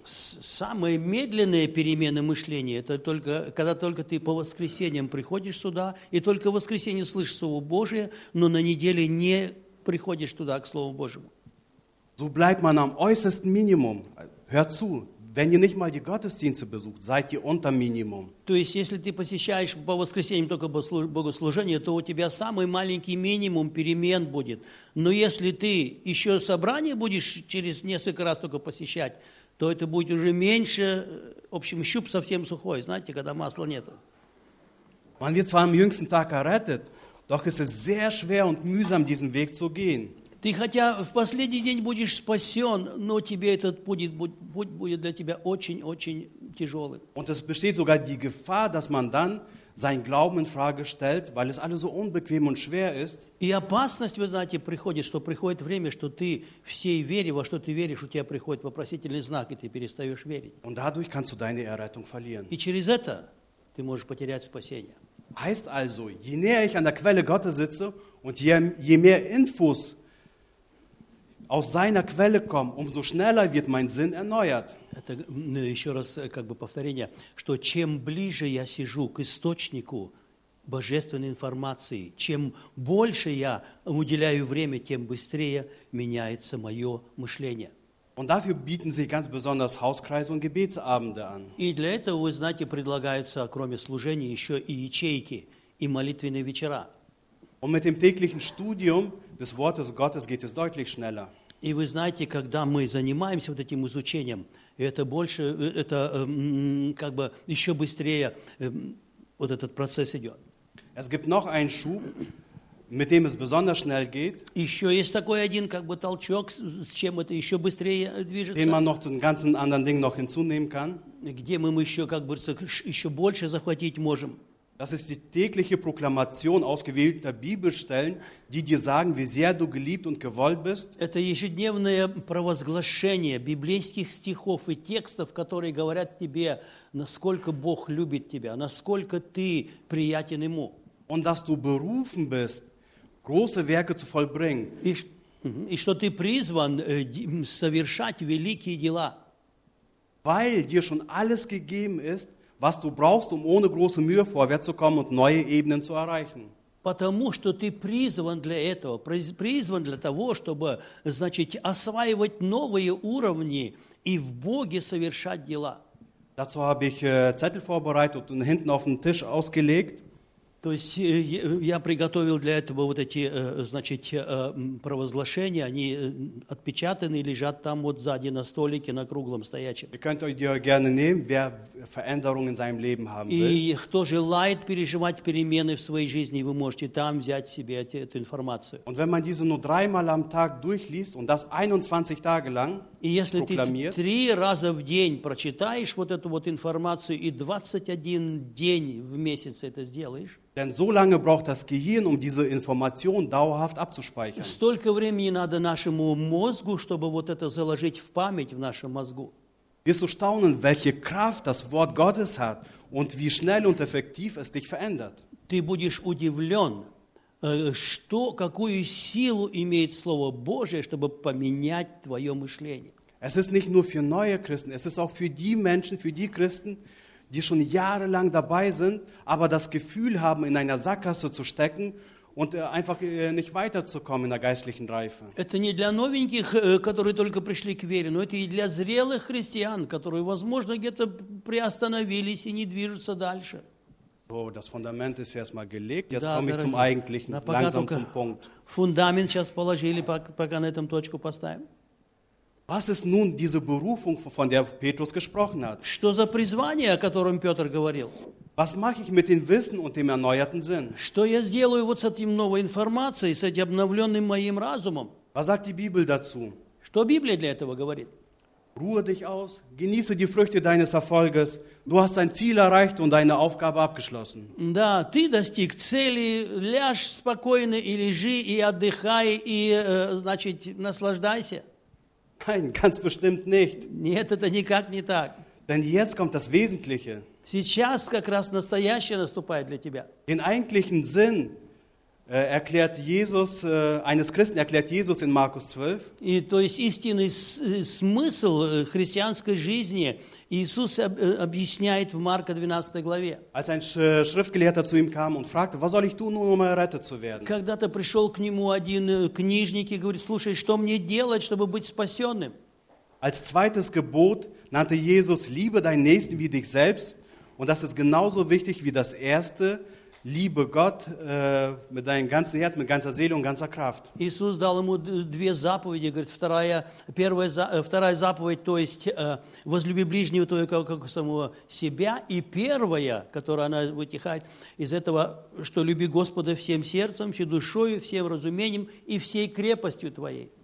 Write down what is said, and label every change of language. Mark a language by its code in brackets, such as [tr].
[ru] Самые медленные перемены мышления, это только, когда только ты по воскресеньям приходишь сюда, и только в воскресенье слышишь Слово Божие, но на неделе не приходишь туда к Слову Божьему. [de] So bleibt man am äußersten Minimum. Hört zu, wenn ihr nicht mal die Gottesdienste besucht, seid ihr unter Minimum. [ru] То есть, если ты посещаешь по воскресеньям только богослужение, то у тебя самый маленький минимум перемен будет. Но если ты еще собрание будешь через несколько раз только посещать, то это будет уже меньше, в общем, щуп совсем сухой, знаете, когда масла нету. [de] Man wird zwar am jüngsten Tag errettet, doch es ist sehr schwer und mühsam, diesen Weg zu gehen. [ru] Ты хотя в последний день будешь спасен, но тебе этот путь будет для тебя очень-очень тяжелым. [de] Und es besteht sogar die Gefahr, dass man dann seinen Glauben in Frage stellt, weil es alles so unbequem und schwer ist. [ru] И опасность, вы знаете, приходит, что приходит время, что ты всей вере, во что ты веришь, у тебя приходит вопросительный знак, и ты перестаешь верить. [de] Und dadurch kannst du deine Errettung verlieren. [ru] И через это ты можешь потерять спасение. [de] Heißt also, je näher ich an der Quelle Gottes sitze und je mehr Infos aus seiner Quelle kommen, umso schneller wird mein Sinn erneuert. [ru] Это, ну, еще раз как бы повторение, что чем ближе я сижу к источнику божественной информации, чем больше я уделяю время, тем быстрее меняется мое мышление. [de] Und dafür bieten sich ganz besonders Hauskreise und Gebetsabende an. [ru] И для этого, вы знаете, предлагаются, кроме служения, еще и ячейки, и молитвенные вечера. [de] Und mit dem täglichen Studium des Wortes Gottes geht es deutlich schneller. [ru] И вы знаете, когда мы занимаемся вот этим изучением, это больше, это как бы еще быстрее вот этот процесс идет. [de] Es gibt noch einen Schub, mit dem es besonders schnell geht. [ru] Еще есть такой один как бы толчок, с чем это еще быстрее движется. [de] Den man noch zu den ganzen anderen Dingen noch hinzunehmen kann. [ru] Где мы еще как бы еще больше захватить можем. [de] Das ist die tägliche Proklamation ausgewählter Bibelstellen, die dir sagen, wie sehr du geliebt und gewollt bist. [ru] Это ежедневное провозглашение библейских стихов и текстов, которые говорят тебе, насколько Бог любит тебя, насколько ты приятен ему. [de] Und dass du berufen bist, große Werke zu vollbringen. [ru] И что ты призван совершать великие дела. [de] Weil dir schon alles gegeben ist, was du brauchst, um ohne große Mühe vorwärts zu kommen und neue Ebenen zu erreichen. [ru] Потому что ты призван для этого, призван для того, чтобы, значит, осваивать новые уровни и в Боге совершать дела. [de] Dazu habe ich Zettel vorbereitet und hinten auf den Tisch ausgelegt. [ru] То есть я приготовил для этого вот эти, значит, провозглашения, они отпечатаны и лежат там вот сзади на столике, на круглом стоячем. [de] Ihr könnt euch die gerne nehmen, wer Veränderungen in seinem Leben haben will. [ru] И кто желает переживать перемены в своей жизни, вы можете там взять себе эту информацию. [de] Und wenn man diese nur dreimal am Tag durchliest und das 21 Tage lang [ru] И если ты три раза в день прочитаешь вот эту вот информацию и 21 день в месяц это сделаешь, [de] Denn so lange braucht das Gehirn, um diese Information dauerhaft abzuspeichern. [ru] Столько времени надо нашему мозгу, чтобы вот это заложить в память в нашем мозгу. [de] Wirst du staunen, welche Kraft das Wort Gottes hat und wie schnell und effektiv es dich verändert. [ru] Ты будешь удивлен, что, какую силу имеет Слово Божие, чтобы поменять твое мышление. [de] Es ist nicht nur für neue Christen, es ist auch für die Menschen, für die Christen, die schon jahrelang dabei sind, aber das Gefühl haben, in einer Sackgasse zu stecken und einfach nicht weiterzukommen in der geistlichen Reife. [ru] Это не для новеньких, которые только пришли к вере, но это и для зрелых христиан, которые, возможно, где-то приостановились и не движутся дальше. [de] So, das Fundament ist erstmal gelegt, jetzt komme ich zum eigentlichen, langsam zum Punkt. [ru] Фундамент сейчас положили, пока на этом точку поставим. [de] Was ist nun diese Berufung, von der Petrus gesprochen hat? [ru] Что за призвание, о котором Петр говорил? [de] Was mache ich mit dem Wissen und dem erneuerten Sinn? [ru] Что я сделаю вот с этим новой информацией, с этим обновленным моим разумом? [de] Was sagt die Bibel dazu? [ru] Что Библия для этого говорит? [de] Ruhe dich aus, genieße die Früchte deines Erfolges. Du hast dein Ziel erreicht und deine Aufgabe abgeschlossen. [ru] Да, ты достиг цели, ляж спокойно и лежи, и отдыхай, и, значит, наслаждайся. [de] Nein, ganz bestimmt nicht. [ru] Нет, это никак не так. [de] Denn jetzt kommt das Wesentliche. [ru] Сейчас как раз настоящее наступает для тебя. [de] Den eigentlichen Sinn erklärt Jesus, eines Christen erklärt Jesus in Markus 12. [ru] И то есть истинный смысл христианской жизни Иисус объясняет в Марка 12 главе. [de] Als ein Schriftgelehrter zu ihm kam und fragte, was soll ich tun, um errettet zu werden? [ru] Когда-то пришел к нему один книжник и говорит, слушай, что мне делать, чтобы быть спасенным? [de] Als zweites Gebot nannte Jesus, liebe deinen Nächsten wie dich selbst. Und das ist genauso wichtig wie das erste, liebe Gott mit deinem ganzen Herz, mit ganzer Seele und ganzer Kraft. [ru] Иисус дал ему две заповеди, говорит, вторая заповедь, то есть возлюби ближнего твоего как самого себя, и первая, которая она вытекает из этого, что люби Господа всем сердцем, всей душою, всем разумением и всей крепостью твоей.